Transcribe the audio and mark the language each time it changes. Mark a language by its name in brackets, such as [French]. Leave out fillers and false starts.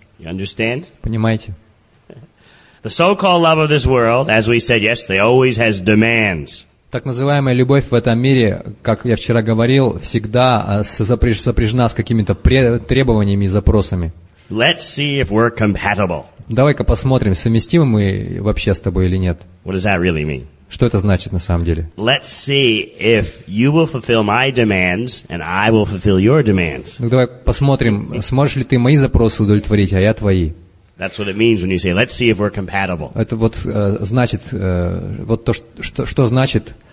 [English] You understand? [Russian] Понимаете? [English] The so-called love of this world, as we said yesterday, always has demands. [Russian] Так называемая любовь в этом мире, как я вчера говорил, всегда сопряжена с какими-то требованиями и запросами. [English] Let's see if we're compatible. [Russian] Давай-ка посмотрим, совместимы мы вообще с тобой или нет. [English] What does that really mean? [Russian] Что это значит на самом деле? [English] Let's see if you will fulfill my demands and I will fulfill your demands. [Russian] Ну, давай посмотрим, сможешь ли ты мои запросы удовлетворить, а я твои. [English] That's what it means when you say, "Let's see if we're compatible." [Russian] Это вот значит, вот то, что значит